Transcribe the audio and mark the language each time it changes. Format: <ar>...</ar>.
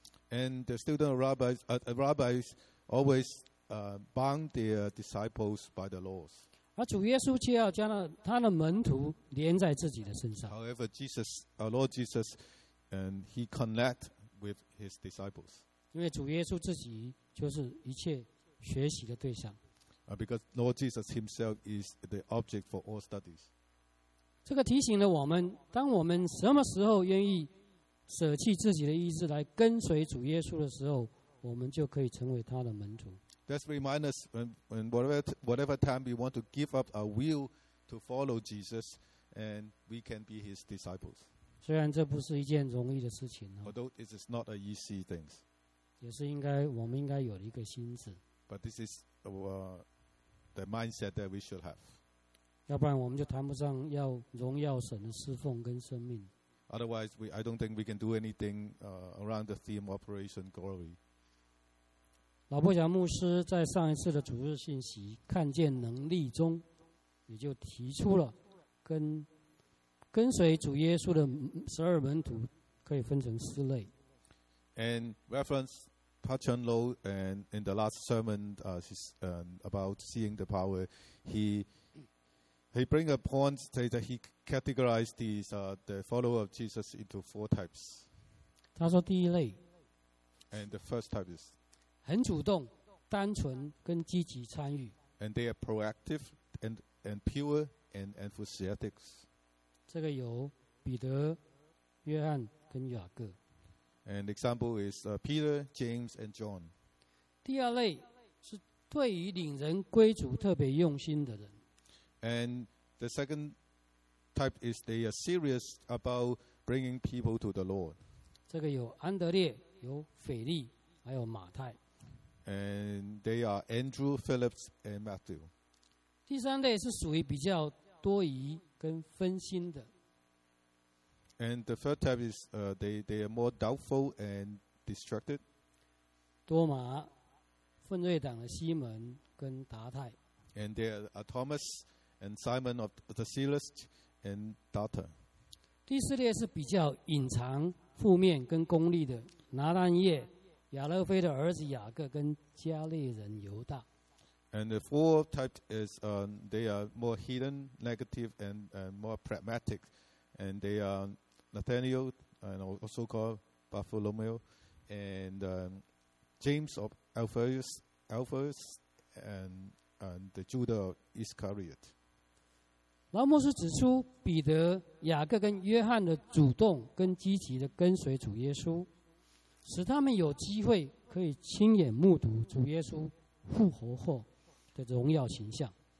<en>，And the student of rabbis, rabbis always bound their disciples by the laws，</en> <zh>而主耶稣却要将他的门徒连在自己的身上。</zh> <en>However, Jesus, our Lord Jesus, and he connect with his disciples.</en> <zh>因为主耶稣自己就是一切学习的对象。</zh> <en>Because Lord Jesus himself is the object for all studies.</en> <zh>这个提醒了我们，当我们什么时候愿意舍弃自己的意志来跟随主耶稣的时候，我们就可以成为他的门徒。</zh> <en>That's remind us when whatever time we want to give up our will to follow Jesus, and we can be His disciples.</en> <zh>虽然这不是一件容易的事情、哦、</zh> <en>although this is not an easy thing,</en> <zh>也是应该我们应该有一个心智。</zh> <en>But this is the mindset that we should have.</en> <zh>要不然我们就谈不上要荣耀神的侍奉跟生命。</zh> <en>Otherwise, I don't think we can do anything around the theme Operation Glory.</en> <zh>老伯祥牧师在上一次的主日信息《看见能力》中，也就提出了跟随主耶稣的十二门徒可以分成四类。</zh> <en>And reference Pa Chun Lo and in the last sermon, about seeing the power, he bring a point say that he categorized these the follower of Jesus into four types.</en> <zh>他说第一类。</zh> <en>And the first type is.</en> <zh>很主动、单纯跟积极参与。</zh> <en>And they are proactive and pure and enthusiastic.</en> <zh>这个有彼得、约翰跟雅各。</zh> <en>And example is Peter, James, and John.</en> <zh>第二类是对于领人归主特别用心的人。</zh> <en>And the second type is they are serious about bringing people to the Lord.</en> <zh>这个有安德烈、有腓力、还有马太。</zh> <en>And they are Andrew, Philip, and Matthew.</en> <zh>第三类是属于比较多疑跟分心的。</zh> <en>And the third type is they are more doubtful and distracted.</en> <zh>多马、分锐党的西门跟达泰。</zh> <en>And there are Thomas and Simon of the Zealous and Data.</en> <zh>第四列是比较隐藏、负面跟功利的拿单叶、亚勒菲的儿子雅各跟加利人犹大。</zh> <en>And the fourth type is they are more hidden, negative, and more pragmatic. And they are Nathaniel, and also called Bartholomew, and James of Alphaeus, and the Judah of Iscariot.</en> <zh>老牧师指出彼得、雅各跟约翰的主动跟积极的跟随主耶稣，使他们有机会可以亲眼目睹主耶稣复活后的荣耀形象。</zh>